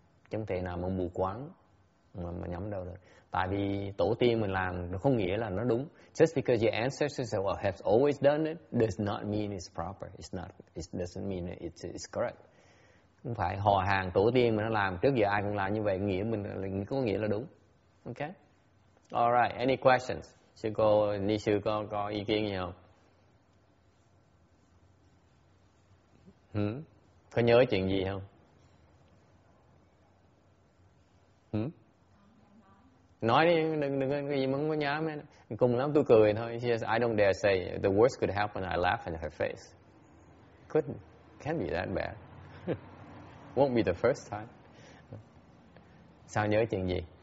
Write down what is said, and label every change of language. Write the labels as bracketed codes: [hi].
[vi] Chẳng thể nào mà mù quáng mà nhắm đâu được. Tại vì tổ tiên mình làm nó không nghĩa là nó đúng. [en] Just because your ancestors have always done it does not mean it's proper. It's not. It doesn't mean it's correct. [vi] Không phải họ hàng tổ tiên mà nó làm trước giờ ai cũng làm như vậy nghĩa mình có nghĩa là đúng. Okay. [en] All right. Any questions? [vi] Sư cô, ni sư có ý kiến gì không? Có nhớ chuyện gì không? Nói đi, đừng cái gì muốn có nhá mấy. Cùng lắm tôi cười thôi. [en] She says, I don't dare say the worst could happen. I laugh in her face. Can't be that bad. Won't be the first time. [vi] Sao nhớ chuyện gì?